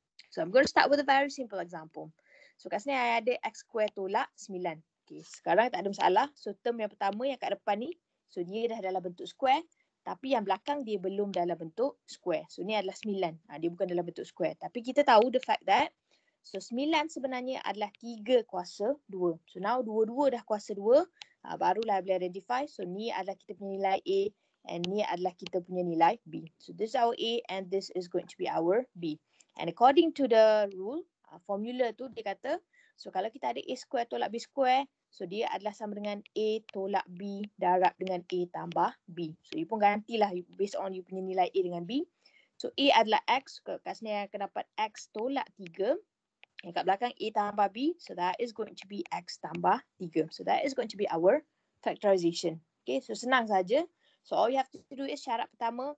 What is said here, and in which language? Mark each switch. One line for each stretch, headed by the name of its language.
English: So I'm going to start with a very simple example.
Malay: So kat sini I ada x square tolak 9. Okay, sekarang tak ada masalah. So term yang pertama yang kat depan ni, so dia dah dalam bentuk square. Tapi yang belakang dia belum dalam bentuk square. So ni adalah 9. Dia bukan dalam bentuk square. Tapi kita tahu
English: the fact that,
Malay: so 9 sebenarnya adalah 3 kuasa 2. So now 2-2 dah kuasa 2. Barulah boleh identify. So ni adalah kita punya nilai A. And ni adalah kita punya nilai B.
English: So this is our A and this is going to be our B.
Malay: And according to the rule, formula tu dia kata, so kalau kita ada A square tolak B square, so dia adalah sama dengan A tolak B darab dengan A tambah B. So you pun gantilah based on you punya nilai A dengan B. So A adalah X. Kat sini akan dapat X tolak 3. Yang kat belakang A tambah B.
English: So that is going to be X tambah 3. So that is going to be our factorization. Okay, so
Malay: senang saja.
English: So all you have to do is
Malay: syarat pertama.